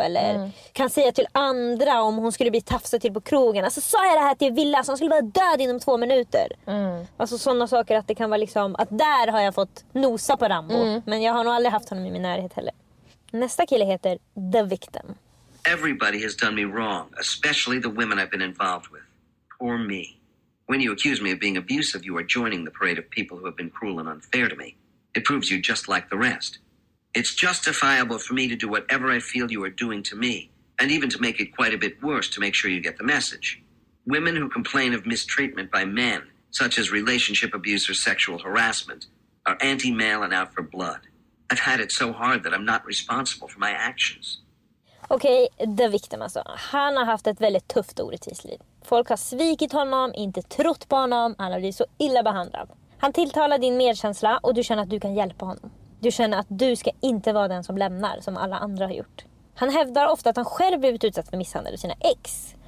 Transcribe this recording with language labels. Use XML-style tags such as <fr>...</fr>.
<sv>Eller kan säga till andra om hon skulle bli tafsad till på krogen. Alltså sa jag det här till Villa, så han skulle vara död inom 2 minuter. Mm. Alltså sådana saker att det kan vara liksom att där har jag fått nosa på Rambo. Mm. Men jag har nog aldrig haft honom i min närhet heller. Nästa kille heter The Victim.</sv> <en>Everybody has done me wrong, especially the women I've been involved with. Poor me. When you accuse me of being abusive, you are joining the parade of people who have been cruel and unfair to me. It proves you're just like the rest. It's justifiable for me to do whatever I feel you are doing to me, and even to make it quite a bit worse to make sure you get the message. Women who complain of mistreatment by men, such as relationship abuse or sexual harassment, are anti-male and out for blood. I've had it so hard that I'm not responsible for my actions.</en> <sv>Okej, The Victim alltså. Han har haft ett väldigt tufft orättvisliv. Folk har svikit honom, inte trott på honom. Han har blivit så illa behandlad. Han tilltalar din medkänsla och du känner att du kan hjälpa honom. Du känner att du ska inte vara den som lämnar, som alla andra har gjort. Han hävdar ofta att han själv blivit utsatt för misshandel av sina ex.</sv>